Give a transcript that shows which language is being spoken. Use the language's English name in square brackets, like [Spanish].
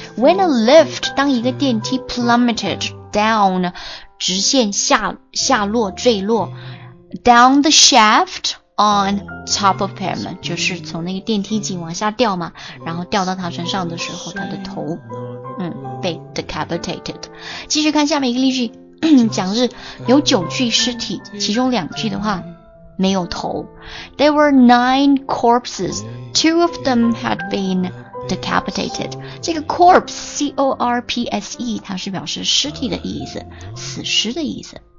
[English] When a lift [Chinese] 当一个电梯 [English] plummeted down [Chinese] 直线 下落坠落 [English] down the shaftOn top of him, [Chinese] 就是从那个电梯井往下掉嘛，然后掉到他身上的时候，他的头，被 [English] decapitated。 [Chinese] 继续看下面一个例句，讲的是有九具尸体，其中两具的话没有头。 [English] There were 9 corpses, 2 of them had been decapitated. [Chinese] 这个 corpse, C-O-R-P-S-E, 它是表示尸体的意思，死尸的意思。